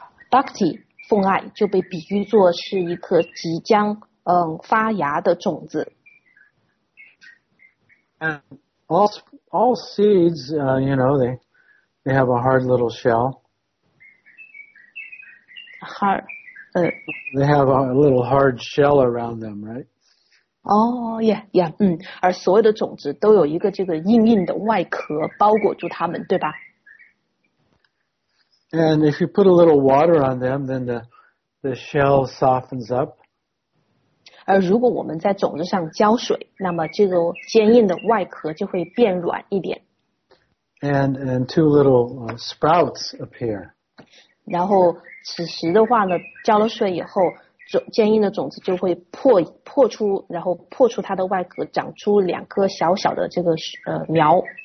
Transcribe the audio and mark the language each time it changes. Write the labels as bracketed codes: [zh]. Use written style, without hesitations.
[zh] Bhakti, 奉爱就被比喻作是一颗即将发芽的种子。 [en] And all seeds, you know, they They have a hard little shell. Hard. They have a little hard shell around them, right? Oh, yeah, yeah. [zh] 而所有的种子都有一个这个硬硬的外壳包裹住它们，对吧？ [en] And if you put a little water on them, then the shell softens up. [zh] 而如果我们在种子上浇水，那么这个坚硬的外壳就会变软一点。 [en] And two little sprouts appear. [zh] 然后此时的话呢，浇了水以后，坚硬的种子就会破出，然后破出它的外壳，长出两颗小小的这个苗。